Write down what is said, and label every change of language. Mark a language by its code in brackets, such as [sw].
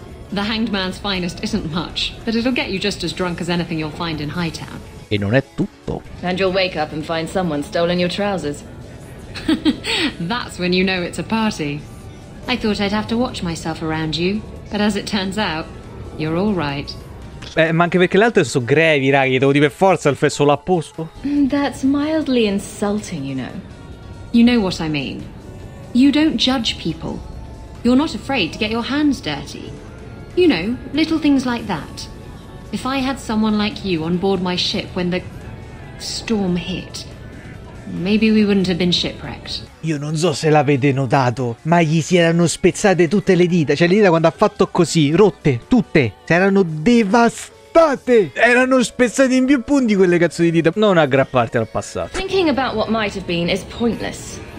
[en] The hanged man's finest isn't much, but it'll get you just as drunk as anything you'll find in Hightown. [it] E non è tutto. [en] And you'll wake up and find someone stolen your trousers. That's when you know it's a party. I thought I'd have to watch myself around you, but as it turns out, you're all right. [it] Ma anche perché le altre sono grevi, raghi, devo dire per forza il fesso l'ha posto. [en] That's mildly insulting, you know. You know what I mean. You don't judge people. You're not afraid to get your hands dirty. You know, little things like that. If I had someone like you on board my ship when the storm hit, maybe we wouldn't have been shipwrecked. [it] Io non so se l'avete notato, ma gli si erano spezzate tutte le dita. Cioè, le dita quando ha fatto così, rotte, tutte, si erano devastate. Erano spezzate in più punti quelle cazzo di dita. Non aggrapparti al passato. [en] Thinking about what might have been is pointless.